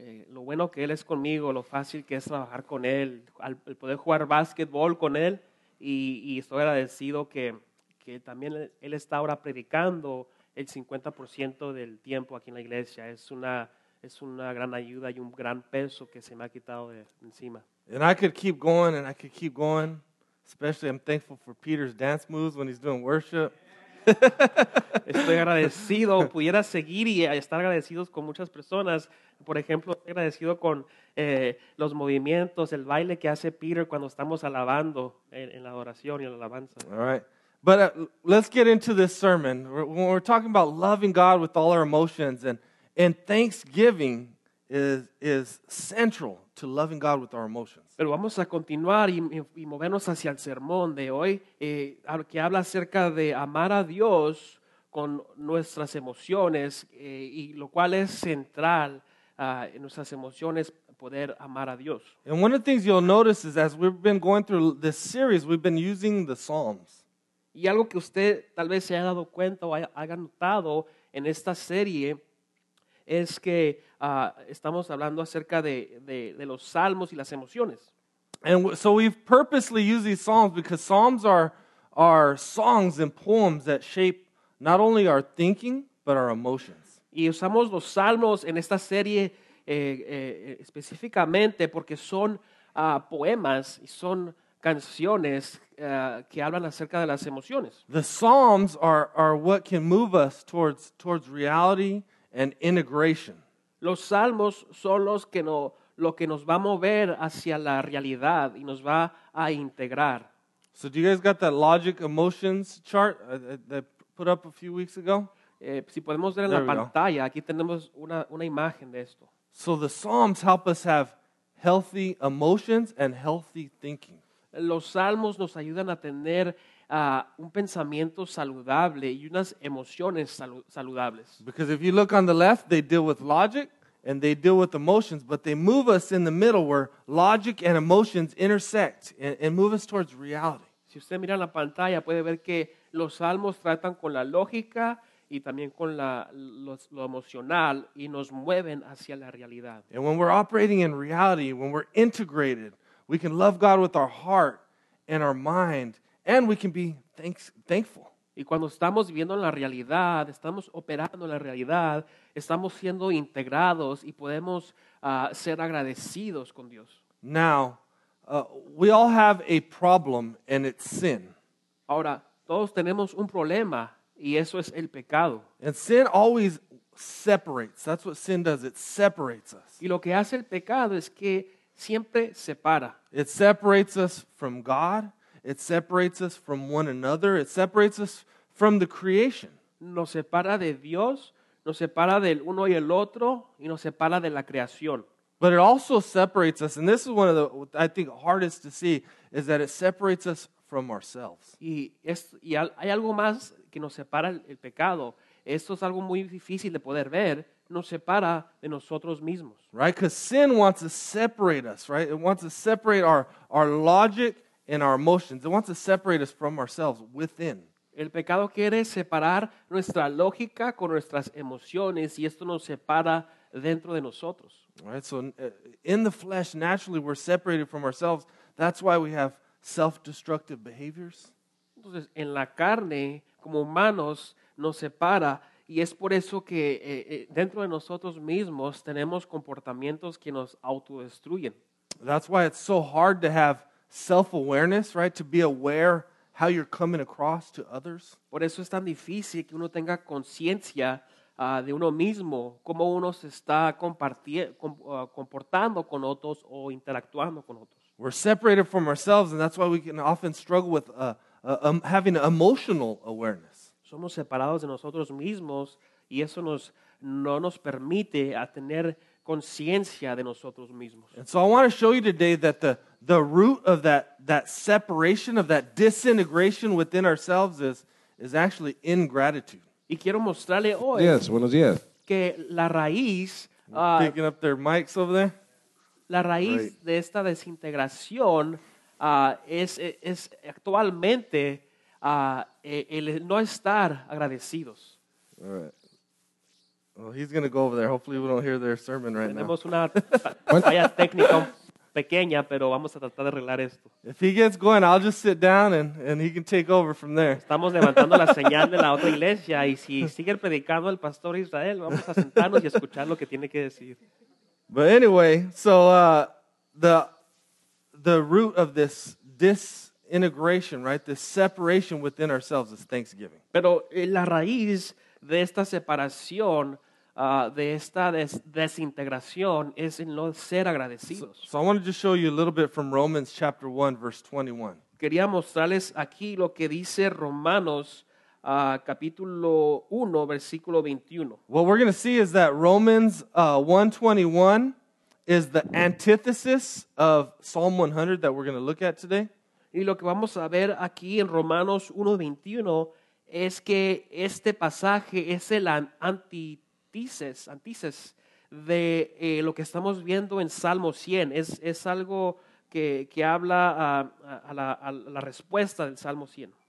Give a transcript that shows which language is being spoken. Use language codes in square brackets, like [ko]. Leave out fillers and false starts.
[es] Lo bueno que él es conmigo, lo fácil que es trabajar con él, el poder jugar basketball con él, y estoy agradecido que también él está ahora predicando el 50% del tiempo aquí en la iglesia. Es una gran ayuda y un gran peso que se me ha quitado de encima. [en] And I could keep going and I could keep going. Especially I'm thankful for Peter's dance moves when he's doing worship. [es] Estoy agradecido, pudiera seguir y estar agradecidos con muchas personas. Por ejemplo, estoy agradecido con los movimientos, el baile que hace Peter cuando estamos alabando en la adoración y en la alabanza. [en] All right. But let's get into this sermon. We're talking about loving God with all our emotions, and thanksgiving is central to loving God with our emotions. [es] Pero vamos a continuar y movernos hacia el sermón de hoy, que habla acerca de amar a Dios con nuestras emociones, y lo cual es central en nuestras emociones, poder amar a Dios. [en] And one of the things you'll notice is as we've been going through this series, we've been using the Psalms. [es] Y algo que usted tal vez se haya dado cuenta o haya notado en esta serie es que estamos hablando acerca de los salmos y las emociones. [en] And so we've purposely used these psalms because psalms are songs and poems that shape not only our thinking, but our emotions. [es] Y usamos los salmos en esta serie específicamente porque son poemas y son canciones que hablan acerca de las emociones. [en] The psalms are what can move us towards reality and integration. [es] Los salmos son los que no lo que nos va a mover hacia la realidad y nos va a integrar. [en] So do you guys got that logic emotions chart that put up a few weeks ago? [es] Si podemos ver en la pantalla, aquí tenemos una imagen de esto. [en] So the psalms help us have healthy emotions and healthy thinking. [es] Los salmos nos ayudan a tener un pensamiento saludable y unas emociones saludables. [en] Because if you look on the left, they deal with logic and they deal with emotions, but they move us in the middle where logic and emotions intersect and move us towards reality. [es] Si usted mira la pantalla, puede ver que los salmos tratan con la lógica y también con lo emocional y nos mueven hacia la realidad. [en] And when we're operating in reality, when we're integrated, we can love God with our heart and our mind. And we can be thankful. [es] Y cuando estamos viviendo en la realidad, estamos operando en la realidad, estamos siendo integrados y podemos ser agradecidos con Dios. [en] Now, we all have a problem and it's sin. [es] Ahora, todos tenemos un problema y eso es el pecado. [en] And sin always separates. That's what sin does. It separates us. [es] Y lo que hace el pecado es que siempre separa. [en] It separates us from God. It separates us from one another. It separates us from the creation. [es] Nos separa de Dios, nos separa del uno y el otro, y nos separa de la creación. [en] But it also separates us, and this is one of the, I think, hardest to see, is that it separates us from ourselves. [es] Y hay algo más que nos separa el pecado. Esto es algo muy difícil de poder ver. Nos separa de nosotros mismos. [en] Right? Because sin wants to separate us, right? It wants to separate our logic in our emotions. It wants to separate us from ourselves within. [es] El pecado quiere separar nuestra lógica con nuestras emociones y esto nos separa dentro de nosotros. [en] All right, so in the flesh, naturally, we're separated from ourselves. That's why we have self-destructive behaviors. [es] Entonces, en la carne, como humanos, nos separa. Y es por eso que dentro de nosotros mismos tenemos comportamientos que nos autodestruyen. [en] That's why it's so hard to have self-awareness, right? To be aware how you're coming across to others. [es] Por eso es tan difícil que uno tenga conciencia de uno mismo, cómo uno se está comportando con otros o interactuando con otros. [en] We're separated from ourselves, and that's why we can often struggle with having emotional awareness. [es] Somos separados de nosotros mismos y eso no nos permite a tener conciencia de nosotros mismos. [en] And so I want to show you today that the root of that separation, of that disintegration within ourselves is actually ingratitude. [es] Y quiero mostrarle hoy. [en] Yes, [es] buenos días. Que la raíz. [en] Picking up their mics over there. [es] La raíz [en] right. [es] De esta desintegración es actualmente. El no estar agradecidos. [en] All right. Well, he's going to go over there. Hopefully, we don't hear their sermon right [es] Tenemos [en] now. [es] Tenemos una falla técnica pequeña, pero vamos a tratar de arreglar esto. [en] If he gets going, I'll just sit down and he can take over from there. [es] Estamos levantando la señal de la otra iglesia y si sigue predicando el pastor Israel, vamos a sentarnos y escuchar lo que tiene que decir. [en] But anyway, so the root of this integration, right? This separation within ourselves is Thanksgiving. [es] Pero la raíz de esta separación, de esta desintegración, es en no ser agradecidos. [en] So I want to just show you a little bit from Romans chapter 1, verse 21. [es] Quería mostrarles aquí lo que dice Romanos, capítulo 1, versículo 21. [en] What we're going to see is that Romans 1:21 is the antithesis of Psalm 100 that we're going to look at today. [es] Y lo que vamos a ver aquí en Romanos 1:21 es que este pasaje es el antítesis de lo que estamos viendo en Salmo 100. Es algo que habla a la respuesta del Salmo 100.